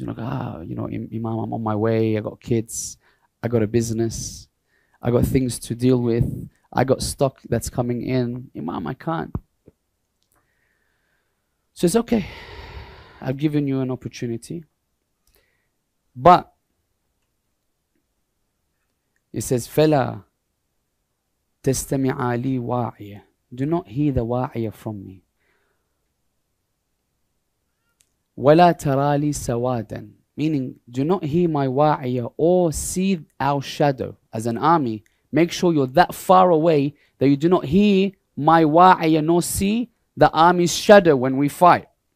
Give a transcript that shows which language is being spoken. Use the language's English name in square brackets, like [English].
[English] You know, like, Imam, I'm on my way. I got kids. I got a business. I got things to deal with. I got stock that's coming in. Imam, I can't. So it's okay. I've given you an opportunity. But he says, [Arabic] فَلَا تَسْتَمِعَ لِي وَاعِيَ. [English] Do not hear the wa'iyah from me. [Arabic] وَلَا تَرَى لِي سَوَادًا. [English] Meaning, do not hear my wa'iyah or see our shadow. As an army, make sure you're that far away that you do not hear my wa'iyah nor see the army's shadow when we fight.